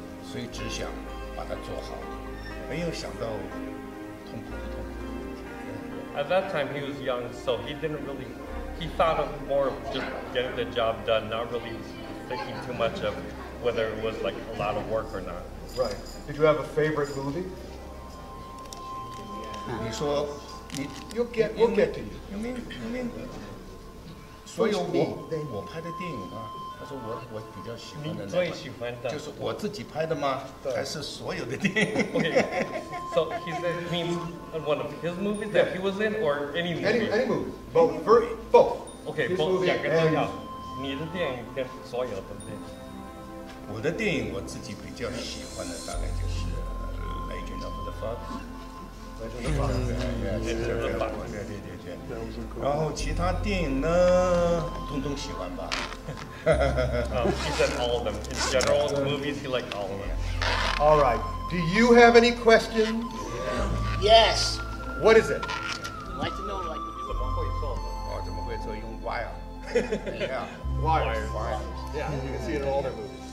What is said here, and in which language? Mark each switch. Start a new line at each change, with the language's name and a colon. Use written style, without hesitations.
Chinese: 所以只想把它做好，没有想到痛苦不痛苦。
English: At that time he was young, so he didn't really, he thought of more of just getting the job done, not really thinking too much of whether it was like a lot of work or not. Right. Did you have a favorite movie?
Chinese: 你说你
English: you'll get to you. You mean
Chinese: 所有我拍的电影啊。他说我比较喜欢的，你最喜欢的就是我自己拍的吗？还是所有的电影
English: ？OK，So、okay. he said he one of his movies that he was in or any movie? Any movie, both. OK, both.
Chinese: 两个都要。你的电影跟所有的电影。我的电影我自己比较喜欢的大概就是《Legend of the Fox》。对，然后其他电影呢，东东喜欢吧。
English: He said all of them. In general, the movies he liked all of them. All right. Do you have any questions? Yes. What is it? I'd like to know, like,
Chinese: 你怎么会做的？哦，怎么会做？用 wire.
English: Yeah. Wire. You can see it in all their movies.